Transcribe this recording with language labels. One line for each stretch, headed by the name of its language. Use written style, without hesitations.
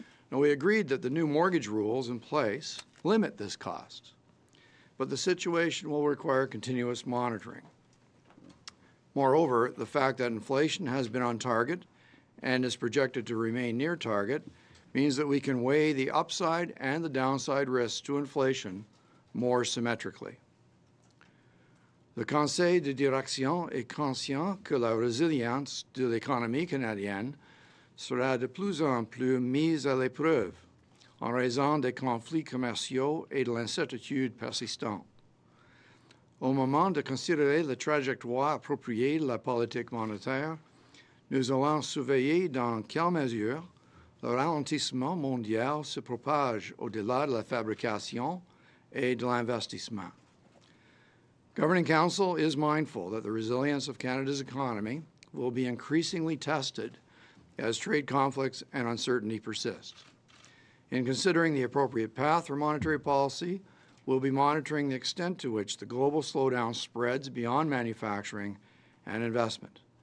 English: Now, we agreed that the new mortgage rules in place limit this cost, but the situation will require continuous monitoring. Moreover, the fact that inflation has been on target and is projected to remain near target means that we can weigh the upside and the downside risks to inflation more symmetrically.
French: Le Conseil de direction est conscient que la résilience de l'économie canadienne sera de plus en plus mise à l'épreuve en raison des conflits commerciaux et de l'incertitude persistante. Au moment de considérer la trajectoire appropriée de la politique monétaire, nous allons surveiller dans quelle mesure le ralentissement mondial se propage au-delà de la fabrication et de l'investissement.
English: Governing Council is mindful that the resilience of Canada's economy will be increasingly tested as trade conflicts and uncertainty persist. In considering the appropriate path for monetary policy, we'll be monitoring the extent to which the global slowdown spreads beyond manufacturing and investment.